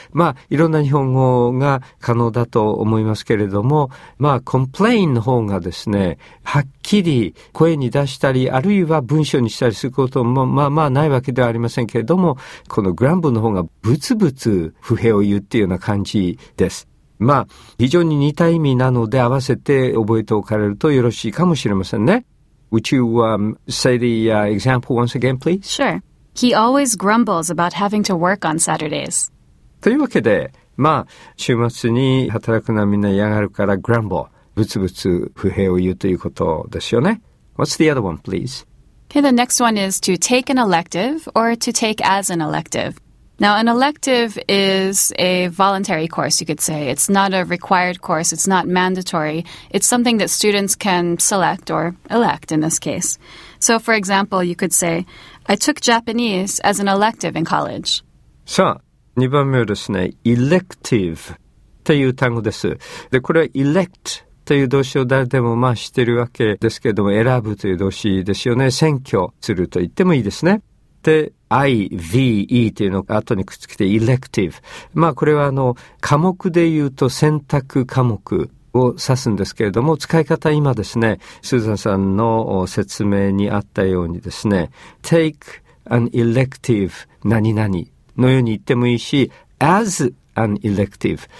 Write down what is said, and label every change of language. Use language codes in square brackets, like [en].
[ja] まあ、いろんな日本語が可能だと思いますけれども、まあ、complain の方がですね、はっきり声に出したり、あるいは文章にしたりすることも、まあまあないわけではありませんけれども、この grumble の方がブツブツ不平を言うっていうような感じです。まあ、非常に似た意味なので合わせて覚えておかれるとよろしいかもしれませんね。 [en] Would you say the example once again, please? Sure. He always grumbles about having to work on Saturdays. [ja] というわけで、まあ、週末に働くのはみんな嫌がるから、grumble、ぶつぶつ不平を言うということですよね。 [en] What's the other one, please? Okay, the next one is to take an elective or to take as an elective. Now, an elective is a voluntary course, you could say. It's not a required course. It's not mandatory. It's something that students can select or elect in this case. So, for example, you could say, I took Japanese as an elective in college. [ja] さあ、2番目はですね、elective という単語です。で、これは elect という動詞を誰でもまあ知ってるわけですけれども、選ぶという動詞ですよね。選挙すると言ってもいいですね。で、IVE というのが後にくっつけて elective。まあこれは科目で言うと選択科目を指すんですけれども、使い方は今ですね、スーザンさんの説明にあったようにですね、 [en] take an elective [ja] 何々のように言ってもいいし、as an elective。